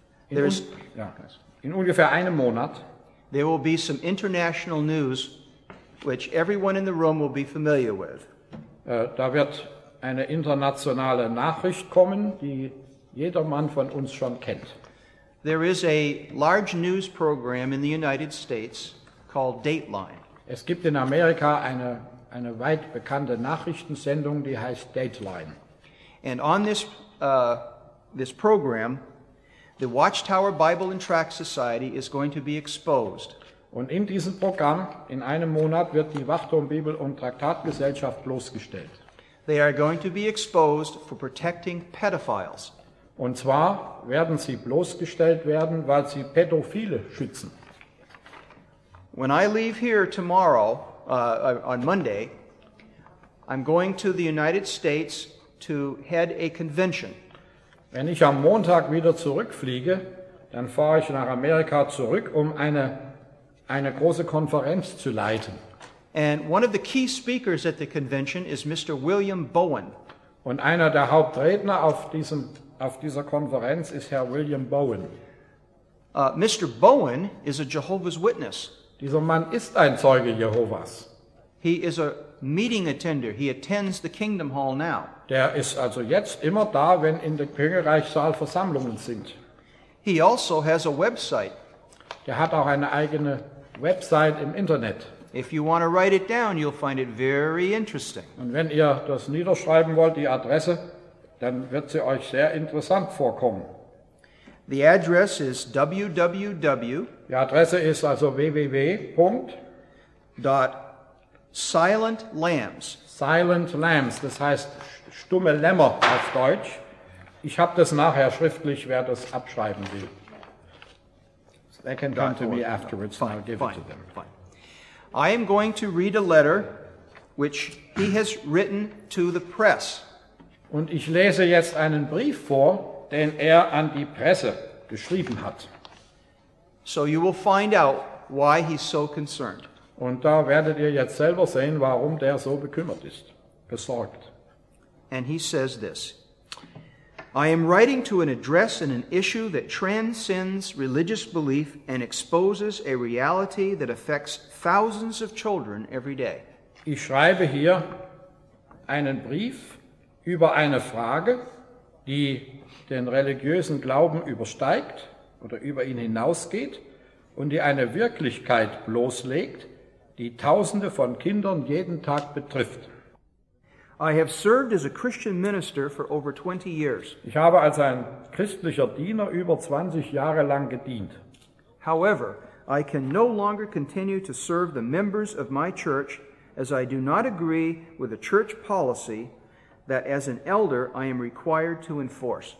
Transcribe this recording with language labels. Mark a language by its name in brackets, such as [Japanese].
[German] in ungefähr einem Monat, [English] there will be some international news which everyone in the room will be familiar with. [German] Da wird eine internationale Nachricht kommen, die jedermann von uns schon kennt. [English] There is a large news program in the United States called Dateline. [German] Es gibt in Amerika eine weit bekannte Nachrichtensendung, die heißt Dateline. [English] And on this program, the Watchtower Bible and Tract Society is going to be exposed. [German] Und in diesem Programm in einem Monat wird die Wachturm Bibel und Traktatgesellschaft bloßgestellt. [English] They are going to be exposed for protecting pedophiles. [German] Und zwar werden sie bloßgestellt werden, weil sie Pädophile schützen. [English] When I leave here tomorrow, on Monday, I'm going to the United States to head a convention. [German] Wenn ich am Montag wieder zurückfliege, dann fahre ich nach Amerika zurück, um eine große Konferenz zu leiten. [English] And one of the key speakers at the convention is Mr. William Bowen. [German] Und einer der Hauptredner auf dieser Konferenz ist Herr William Bowen. [English] Mr. Bowen is a Jehovah's Witness. [German] Dieser Mann ist ein Zeuge Jehovas. [English] He is a meeting attender. He attends the kingdom hall now. [German] Der ist also jetzt immer da, wenn in der Königreichssaal Versammlungen sind. [English] He also has a website. [German] Der hat auch eine eigene Website im Internet. [English] If you want to write it down, you'll find it very interesting. [German] Und wenn ihr das niederschreiben wollt, die Adresse, dann wird sie euch sehr interessant vorkommen. [English] The address is www. [German] Die Adresse ist also www. [English] Dot Silent Lambs. [German] Silent Lambs, das heißt stumme Lämmer auf Deutsch. Ich habe das nachher schriftlich, wer das abschreiben will. [English] They can come to me afterwards, and I'll give it to them. Fine. I am going to read a letter which he has written to the press. [German] Und ich lese jetzt einen Brief vor, den an die Presse geschrieben hat. [English] So you will find out why he's so concerned. [German] Und da werdet ihr jetzt selber sehen, warum so bekümmert ist, besorgt. [English] And he says this: I am writing to an address in an issue that transcends religious belief and exposes a reality that affects thousands of children every day. [German] Ich schreibe hier einen Brief über eine Frage, die den religiösen Glauben übersteigt oder über ihn hinausgeht und die eine Wirklichkeit bloßlegt, die Tausende von Kindern jeden Tag betrifft. [English] I have served as a Christian minister for over 20 years. [German] Ich habe als ein christlicher Diener über 20 Jahre lang gedient. [English] However, I can no longer continue to serve the members of my church as I do not agree with the church policy that as an elder I am required to enforce.